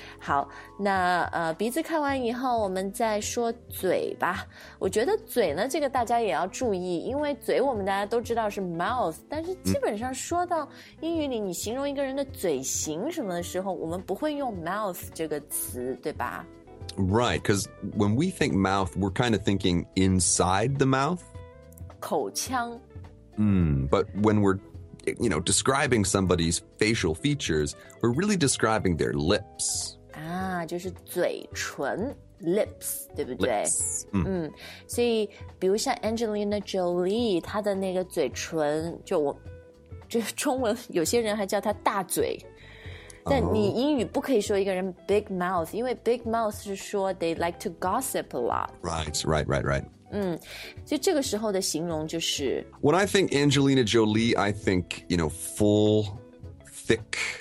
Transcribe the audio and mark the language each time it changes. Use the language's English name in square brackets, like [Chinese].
[Chinese] 好，那鼻子看完以后，我们再说嘴吧。我觉得嘴呢，这个大家也要注意，因为嘴我们大家都知道是 mouth, 但是基本上说到英语里，你形容一个人的嘴型什么的时候，我们不会用 mouth 这个词，对吧？ [English] Right, because when we think mouth, we're kind of thinking inside the mouth. [Chinese] 口腔。 [English] But when we're... You know, describing somebody's facial features, we're really describing their lips. [Chinese] 就是嘴唇 lips, 对不对 [English] lips.、 [Chinese] 所以比如像 Angelina Jolie, 她的那个嘴唇就中文有些人还叫她大嘴。但你英语不可以说一个人 big mouth, 因为 big mouth 是说 [English] they like to gossip a lot. Right. [Chinese] 所以这个时候的形容就是 [English] When I think Angelina Jolie, I think, you know, full, thick